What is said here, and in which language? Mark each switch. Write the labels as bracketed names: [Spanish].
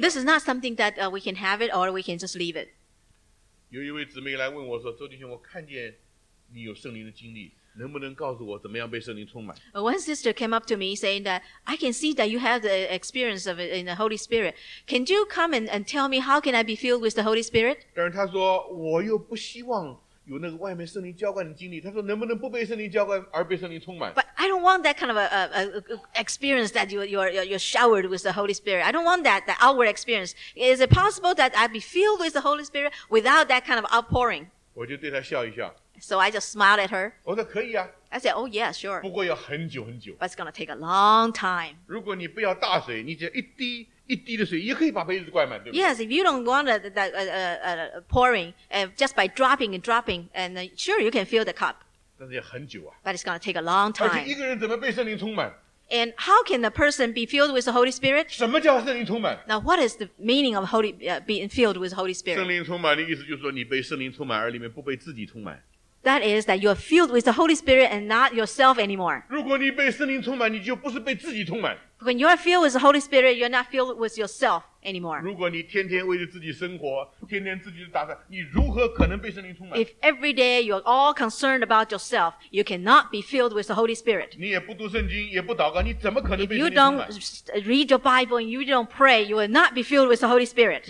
[English] This is not something that we can have it or we can just leave it. [Chinese] 有一位姊妹来问我说：“周弟兄，我看见你有圣灵的经历。” 能不能告诉我怎么样被圣灵充满 [English] ？One sister came up to me saying that I can see that you have the experience of it in the Holy Spirit. Can you come and tell me how can I be filled with the Holy Spirit？ [Chinese] 但是她说我又不希望有那个外面圣灵浇灌的经历。她说能不能不被圣灵浇灌而被圣灵充满 [English] ？But I don't want that kind of a experience that you're showered with the Holy Spirit. I don't want that outward experience. Is it possible that I be filled with the Holy Spirit without that kind of outpouring？ [Chinese] 我就对她笑一笑。 [English] So I just smiled at her. [Chinese] 我说可以啊。 [English] I said, oh yeah, sure. [Chinese] 不过要很久很久。 [English] But it's going to take a long time. [Chinese] 如果你不要大水，你只要一滴一滴的水，也可以把杯子灌满，对不对 [English] ？Yes, if you don't want pouring, just by dropping and dropping, and sure you can fill the cup. [Chinese] 但是要很久啊。 [English] But it's going to take a long time. [Chinese] 而且一个人怎么被圣灵充满 [English] And how can a person be filled with the Holy Spirit? [Chinese] 什么叫圣灵充满? [English] Now, what is the meaning of Holy, being filled with the Holy Spirit? [Chinese] 圣灵充满的意思就是说你被圣灵充满而里面不被自己充满。 [English] That is that you are filled with the Holy Spirit and not yourself anymore. [Chinese] 如果你被圣灵充满,你就不是被自己充满。 [English] When you are filled with the Holy Spirit, you are not filled with yourself anymore. [Chinese] 如果你天天为着自己生活,天天自己打算,你如何可能被圣灵充满? [English] If every day you are all concerned about yourself, you cannot be filled with the Holy Spirit. [Chinese] 你也不读圣经,也不祷告,你怎么可能被圣灵充满? [English] If you don't read your Bible and you don't pray, you will not be filled with the Holy Spirit.